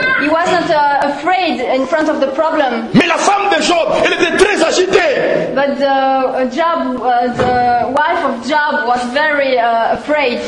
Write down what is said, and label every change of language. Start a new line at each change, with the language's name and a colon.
English: He wasn't afraid in front of the problem.
French: Mais la femme de Job, elle était très agitée.
English: But the wife of Job was very afraid.